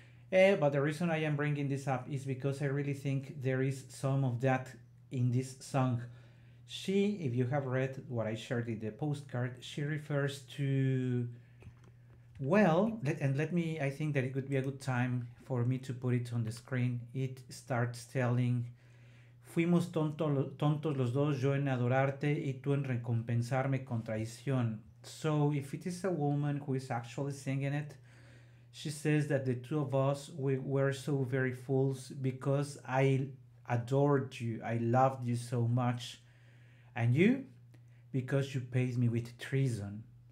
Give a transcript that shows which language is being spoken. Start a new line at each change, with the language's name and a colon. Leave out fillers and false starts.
English: But the reason I am bringing this up is because I really think there is some of that in this song. She, if you have read what I shared in the postcard, she refers to, I think that it could be a good time for me to put it on the screen. It starts telling,
Spanish: fuimos tontos los dos, yo en adorarte y tú en recompensarme con traición.
English: So if it is a woman who is actually singing it, she says that the two of us, we were so very fools because I adored you, I loved you so much, and you, because you paid me with treason.